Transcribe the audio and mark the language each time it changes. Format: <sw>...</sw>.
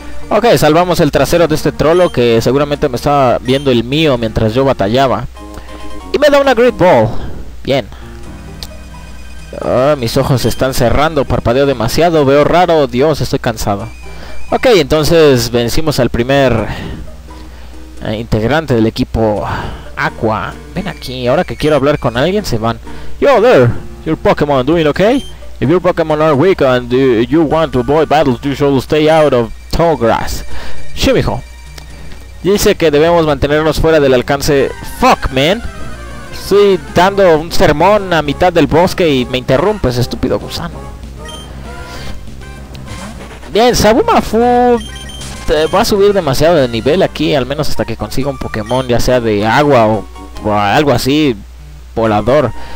<es>Ok, salvamos el trasero de este trolo que seguramente me estaba viendo el mío mientras yo batallaba. Y me da una Great Ball. Bien. Oh, mis ojos se están cerrando, parpadeo demasiado, veo raro, Dios, estoy cansado. Ok, entonces vencimos al primer integrante del equipo Aqua. Ven aquí, ahora que quiero hablar con alguien se van.</es> <en>Yo there, your Pokemon doing okay? If your Pokemon are weak and you want to avoid battles, you should stay out of tall grass. Shimijo.</en> <es>Dice que debemos mantenernos fuera del alcance.</es> <en>Fuck, man.</en> <es>Estoy dando un sermón a mitad del bosque y me interrumpes, estúpido gusano. Bien, Sabumafu va a subir demasiado de nivel aquí, al menos hasta que consiga un Pokémon, ya sea de agua o algo así, volador.</es>